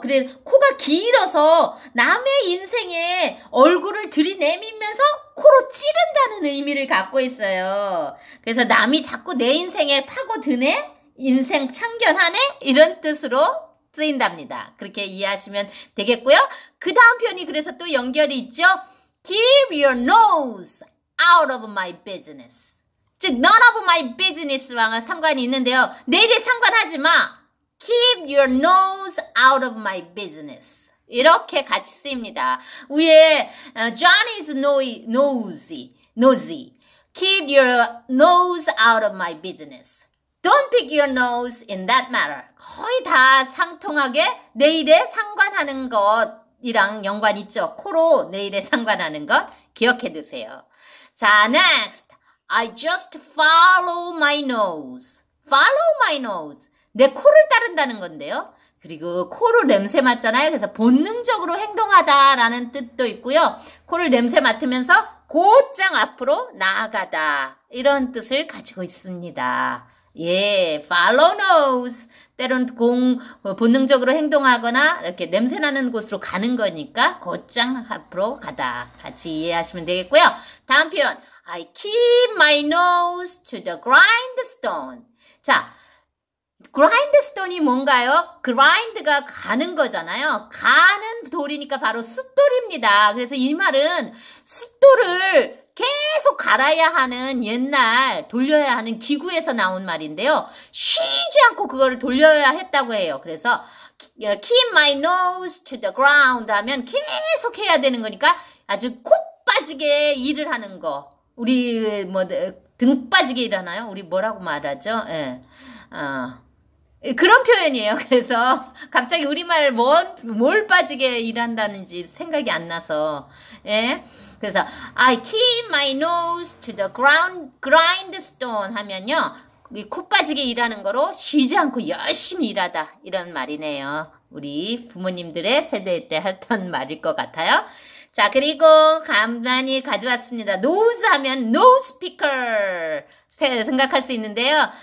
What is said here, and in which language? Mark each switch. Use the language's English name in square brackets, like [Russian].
[Korean] 그래, 코가 길어서 남의 인생에 얼굴을 들이내밀면서 코로 찌른다는 의미를 갖고 있어요. 그래서 남이 자꾸 내 인생에 파고드네? 인생 참견하네? 이런 뜻으로 쓰인답니다. 그렇게 이해하시면 되겠고요. 그 다음 표현이 그래서 또 연결이 있죠. [English] Keep your nose out of my business. [Korean] 즉, [English] none of my business [Korean] 와 상관이 있는데요. 내 일에 상관하지 마. [English] Keep your nose out of my business. [Korean] 이렇게 같이 쓰입니다. [English] 위에 John is nosy. Keep your nose out of my business. Don't pick your nose in that matter. [Korean] 거의 다 상통하게 내 일에 상관하는 것이랑 연관 있죠. 코로 내 일에 상관하는 것 기억해 두세요. [English] 자, next. I just follow my nose. Follow my nose. [Korean] 내 코를 따른다는 건데요. 그리고 코로 냄새 맡잖아요. 그래서 본능적으로 행동하다라는 뜻도 있고요. 코를 냄새 맡으면서 곧장 앞으로 나아가다. 이런 뜻을 가지고 있습니다. [English] 예, follow nose. [Korean] 때론 본능적으로 행동하거나 이렇게 냄새 나는 곳으로 가는 거니까 곧장 앞으로 가다. 같이 이해하시면 되겠고요. 다음 표현. [English] I keep my nose to the grindstone. [Korean] 자, grindstone이 뭔가요? grind가 가는 거잖아요. 가는 돌이니까 바로 숫돌입니다. 그래서 이 말은 숫돌을 계속 갈아야 하는 옛날 돌려야 하는 기구에서 나온 말인데요. 쉬지 않고 그거를 돌려야 했다고 해요. 그래서 [English] keep my nose to the ground [Korean] 하면 계속 해야 되는 거니까 아주 콕 빠지게 일을 하는 거. 우리 뭐 등 빠지게 일하나요? 우리 뭐라고 말하죠? 예. 그런 표현이에요. 그래서 갑자기 우리말 뭘 빠지게 일한다는지 생각이 안 나서. 예. [English] 그래서 I keep my nose to the grindstone [Korean] 하면요. 코 빠지게 일하는 거로 쉬지 않고 열심히 일하다. 이런 말이네요. 우리 부모님들의 세대 때 했던 말일 것 같아요. 자, 그리고 간단히 가져왔습니다. nose 하면 nose picker 생각할 수 있는데요.